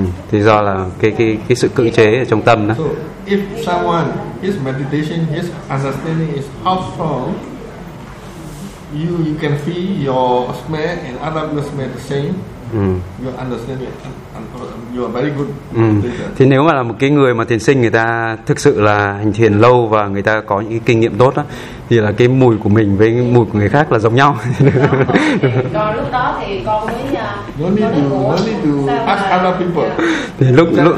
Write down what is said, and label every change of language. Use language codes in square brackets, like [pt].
[vi] Thì do là cái sự cưỡng chế ở trong tâm đó. [en] So if someone his meditation, his understanding is how strong, you can feel your smell and other smell the same. You understand it. You are very good. [vi] Thì nếu mà là một cái người mà thiền sinh, người ta thực sự là hành thiền lâu và người ta có những kinh nghiệm tốt đó, thì là cái mùi của mình với mùi của người khác là giống nhau. Còn lúc đó thì con mới [en] no need to ask other people.